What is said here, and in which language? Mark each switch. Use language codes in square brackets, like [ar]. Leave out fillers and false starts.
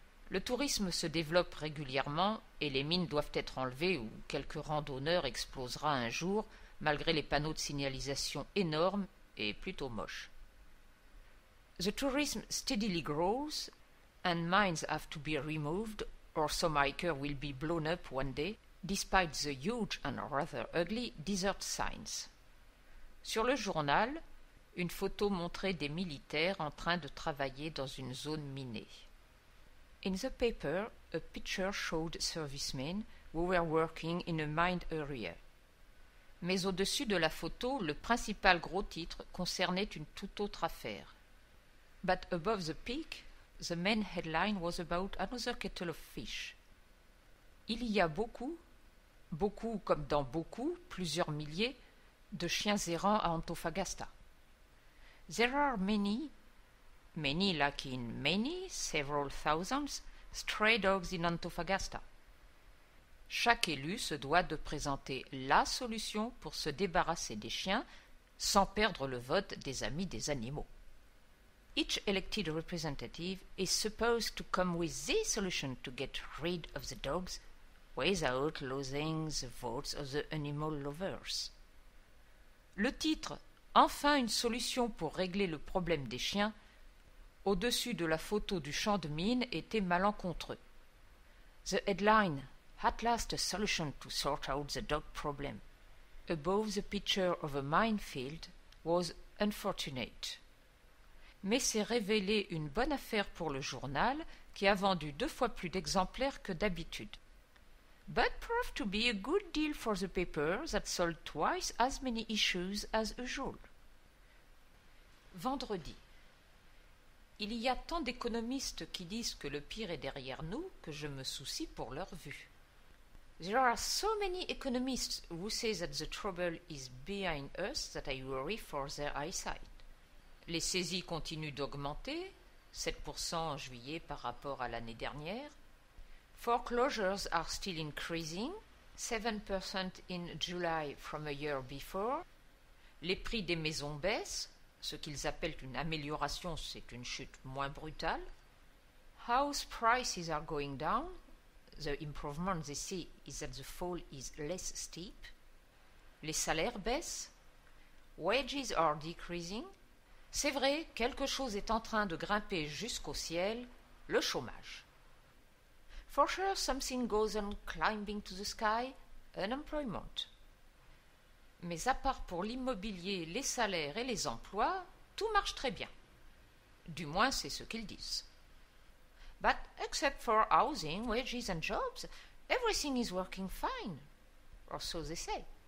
[fr] Le tourisme se développe régulièrement et les mines doivent être enlevées ou quelque randonneur explosera un jour malgré les panneaux de signalisation énormes et plutôt moches. [en] The tourism steadily grows and mines have to be removed or some hiker will be blown up one day despite the huge and rather ugly desert signs. [fr] Sur le journal, une photo montrait des militaires en train de travailler dans une zone minée. [en] In the paper, a picture showed servicemen who were working in a mine area. [fr] Mais au-dessus de la photo, le principal gros titre concernait une toute autre affaire. [en] But above the peak, the main headline was about another kettle of fish. [fr] Il y a beaucoup, beaucoup comme dans beaucoup, plusieurs milliers, de chiens errants à Antofagasta. [en] There are many, many like in many, several thousands, stray dogs in Antofagasta. [fr] Chaque élu se doit de présenter la solution pour se débarrasser des chiens sans perdre le vote des amis des animaux. [en] Each elected representative is supposed to come with the solution to get rid of the dogs without losing the votes of the animal lovers. [fr] Le titre « Enfin une solution pour régler le problème des chiens » au-dessus de la photo du champ de mine était malencontreux. [en] The headline « At last a solution to sort out the dog problem » above the picture of a minefield was unfortunate. [fr] Mais c'est révélé une bonne affaire pour le journal qui a vendu deux fois plus d'exemplaires que d'habitude. [en] But proved to be a good deal for the paper that sold twice as many issues as usual. [fr] Vendredi. Il y a tant d'économistes qui disent que le pire est derrière nous que je me soucie pour leur vue. [en] There are so many economists who say that the trouble is behind us that I worry for their eyesight. [fr] Les saisies continuent d'augmenter, 7% en juillet par rapport à l'année dernière. [en] Foreclosures are still increasing, 7% in July from a year before. [fr] Les prix des maisons baissent, ce qu'ils appellent une amélioration, c'est une chute moins brutale. [en] House prices are going down, the improvement they see is that the fall is less steep. [fr] Les salaires baissent, [en] wages are decreasing. [fr] C'est vrai, quelque chose est en train de grimper jusqu'au ciel, le chômage. [en] For sure something goes on climbing to the sky, unemployment. [fr] Mais à part pour l'immobilier, les salaires et les emplois, tout marche très bien. Du moins, c'est ce qu'ils disent. [en] But except for housing, wages and jobs, everything is working fine. Or so they say.